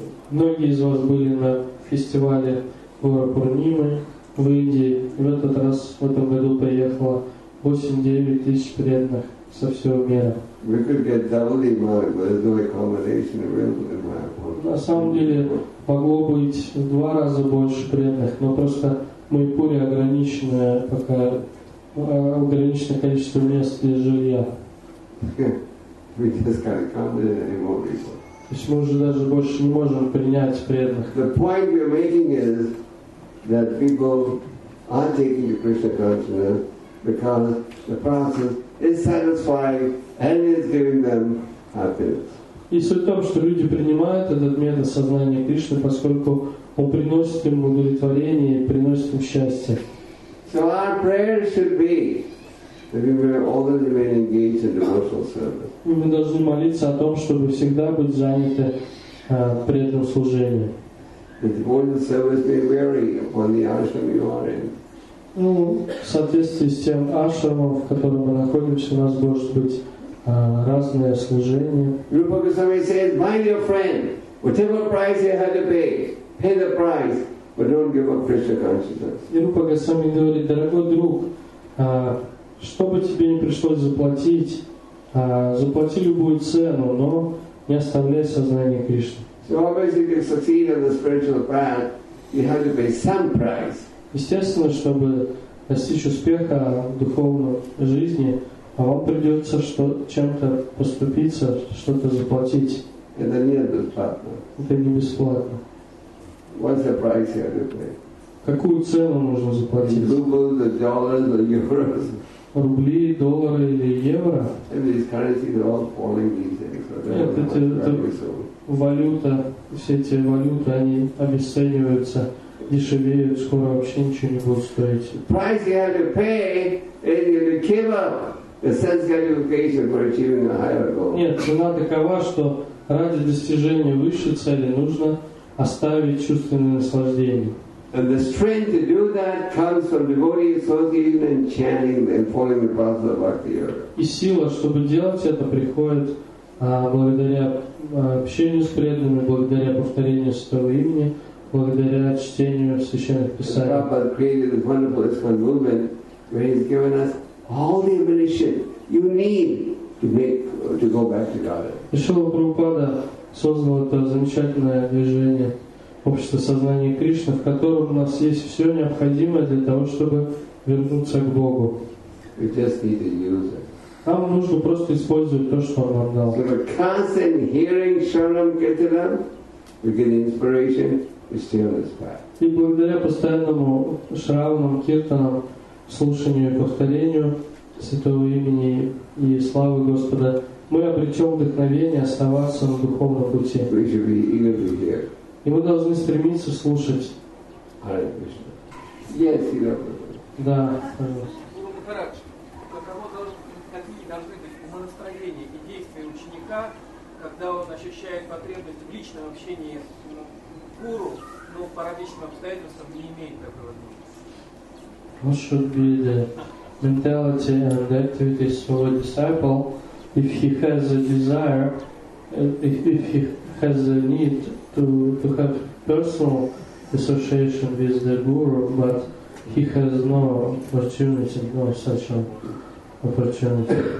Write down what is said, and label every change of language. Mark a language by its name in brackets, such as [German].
[Russian] Многие из вас были на фестивале Гора Пурнимы в Индии. В этот раз, в этом году приехало 8-9 тысяч преданных со всего мира. [English] We could get double the amount, but there's no accommodation available in Mayapur. [Russian] На самом деле, могло быть в два раза больше преданных, но просто Майпуре ограниченное пока ограниченное количество мест для жилья. [English] We just can't accommodate any more people. [Russian] То есть мы уже даже больше не можем принять преданных. [English] The point we're making is that people aren't taking the Krishna consciousness because the process is satisfying and is giving them happiness. [Russian] И суть в том, что люди принимают этот метод сознания Кришны, поскольку он приносит им удовлетворение, приносит им счастье. [English] So our prayer should be that we will always remain engaged in devotional service. [Russian] Мы должны молиться о том, чтобы всегда быть заняты преданным служением. [English] The devotional service may vary upon the ashram you are in. [Russian] Ну, в соответствии с тем ашрамом, в котором мы находимся, у нас может быть разное служение. [English] Rupa Goswami says, my dear friend, whatever price you have to pay the price, but don't give up Krishna consciousness. [Russian] И Рупа Госвами говорит, дорогой друг, что бы тебе ни пришлось заплатить, заплати любую цену, но не оставляй сознание Кришны. [English] So obviously, if you succeed on the spiritual path, you have to pay some price. [Russian] Естественно, чтобы достичь успеха в духовной жизни, а вам придется чем-то поступиться, что-то заплатить. Это не бесплатно. Это не бесплатно. [English] What's the price you have to pay? [Russian] Какую цену нужно заплатить? [English] Rubles, the dollars, the euros. [Russian] Рубли, доллары или евро? Нет, это валюта, все эти валюты, они обесцениваются, дешевеют, скоро вообще ничего не будут стоить. [English] Price you have to pay is you have to give up. The sense gratification for achieving a higher goal. [Russian] Нет, цена такова, что ради достижения высшей цели нужно оставить чувственное наслаждение. [English] And the strength to do that comes from devotee association and chanting and following the path of bhakti yoga. [Russian] И сила, чтобы делать это, приходит благодаря общению с преданными, благодаря повторению святого имени, благодаря чтению священных писаний. [English] The Prabhupada created this wonderful ISKCON movement where he's given us all the ammunition you need to go back to Godhead. [Russian] Шрила Прабхупада создал это замечательное движение общества сознания Кришны, в котором у нас есть все необходимое для того, чтобы вернуться к Богу. [English] We just need to use it. [Russian] Нам нужно просто использовать то, что Он нам дал. [English] So the constant hearing Sharanam Kirtanam, we get inspiration, we stay on this path. [Russian] И благодаря постоянному Шраванам Киртанам, слушанию и повторению святого имени и славы Господа, мы обретем вдохновение оставаться на духовном пути. И мы должны стремиться слушать. Харе Кришна. Есть, Хари Кришна. Да, пожалуйста. Гуру Махарадж, каково какие должны быть умонастроения и действия ученика, когда он ощущает потребность в личном общении с гуру, но по различным обстоятельствам не имеет такой возможности? [English] What should be the mentality and the activities of a disciple if he has a desire, if he has a need to have personal association with the guru, but he has no opportunity, no such an opportunity?